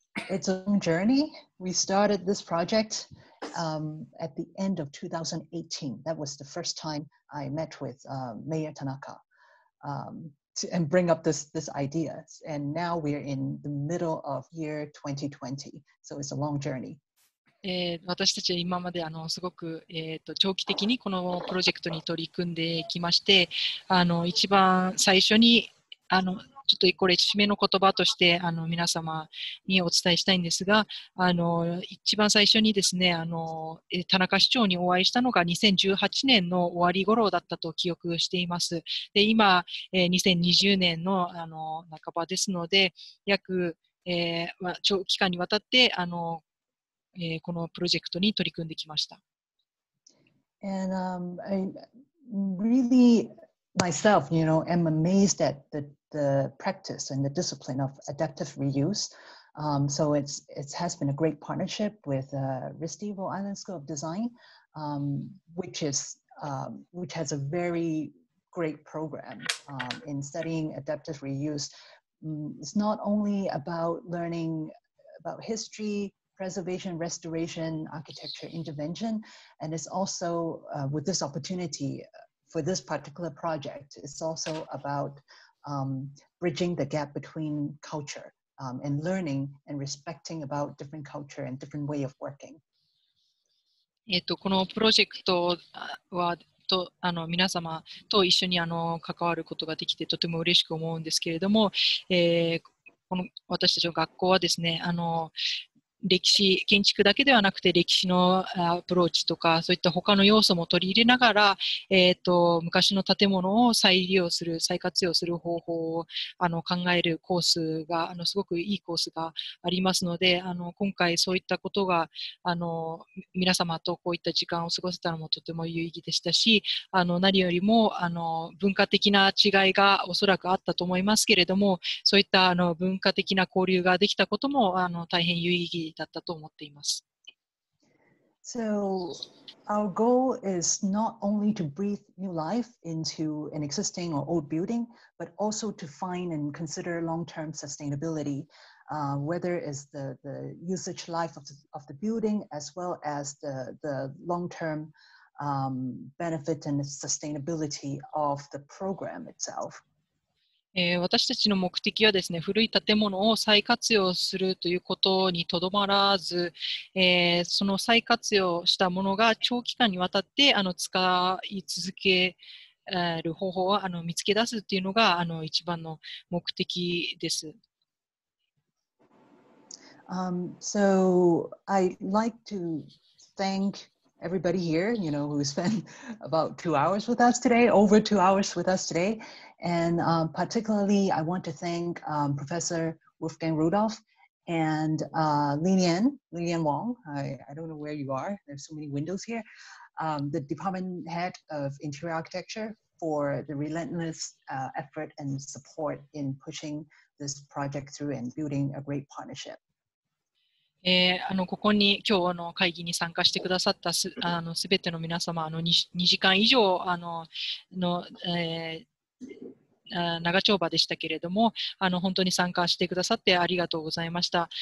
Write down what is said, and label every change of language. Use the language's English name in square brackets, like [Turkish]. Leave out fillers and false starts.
[English] It's a long journey. We started this project at the end of 2018. That was the first time I met with Mayor Tanaka. And bring up this idea. And now we're in the middle of year 2020. So it's a long journey. [Japanese] 私たちは今まですごく、長期的にこのプロジェクトに取り組んできまして、一番最初にちょっとこれ締めの言葉として皆様にお伝えしたいんですが、一番最初にですね、田中市長にお会いしたのが2018年の終わり頃だったと記憶しています。で今、2020年の半ばですので約、長期間にわたってこのプロジェクトに取り組んできました。 [English] And, really myself, you know, am amazed at the practice and the discipline of adaptive reuse. So it has been a great partnership with RISD-Inami Rhode Island School of Design, which has a very great program in studying adaptive reuse. It's not only about learning about history, preservation, restoration, architecture, intervention, and it's also with this opportunity for this particular project, it's also about bridging the gap between culture and learning and respecting about different culture and different way of working. [Japanese] このプロジェクトはと皆様と一緒に関わることができてとても嬉しく思うんですけれども、この私たちの学校はですね、歴史建築だけではなくて歴史のアプローチとかそういった他の要素も取り入れながら、昔の建物を再利用する再活用する方法を考えるコースがすごくいいコースがありますので今回そういったことが皆様とこういった時間を過ごせたのもとても有意義でしたし何よりも文化的な違いがおそらくあったと思いますけれどもそういった文化的な交流ができたことも大変有意義だったと思っています。 [English] So our goal is not only to breathe new life into an existing or old building, but also to find and consider long-term sustainability, whether it's the usage life of the building as well as the long-term benefit and sustainability of the program itself. [Japanese] 私たちの目的はですね、古い建物を再活用するということにとどまらず、その再活用したものが長期間にわたって使い続ける方法を見つけ出すというのが一番の目的です。 [English] So I'd like to thank everybody here, you know, who spent about 2 hours with us today, over 2 hours with us today. And particularly, I want to thank Professor Wolfgang Rudorf and Lilian Wong. I don't know where you are. There's so many windows here. The Department Head of Interior Architecture for the relentless effort and support in pushing this project through and building a great partnership. [Japanese] ここに今日会議に参加してくださったすべての皆様2時間以上長丁場でしたけれども本当に参加してくださってありがとうございました。